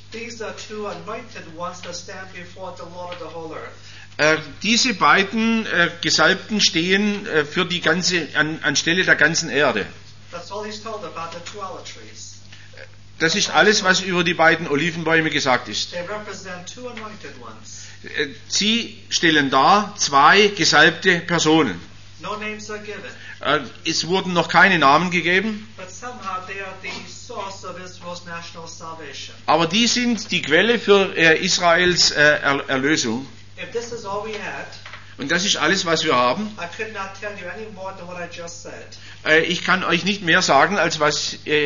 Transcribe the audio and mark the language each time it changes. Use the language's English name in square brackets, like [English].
[English] these are two anointed ones that stand before the Lord of the whole earth. [German] Diese beiden Gesalbten stehen für die ganze anstelle der ganzen Erde. [English] That's all he's told about the two olive trees. [German] Das ist alles, was über die beiden Olivenbäume gesagt ist. [English] They represent two anointed ones. [German] Sie stellen dar zwei gesalbte Personen. [English] No names are given. [German] Es wurden noch keine Namen gegeben. [English] But somehow they are the source of Israel's national salvation. [German] Aber die sind die Quelle für Israels Erlösung. [English] If this is all we had, [German] und das ist alles, was wir haben. [English] I could not tell you any more than what I just said. [German] Ich kann euch nicht mehr sagen, als was...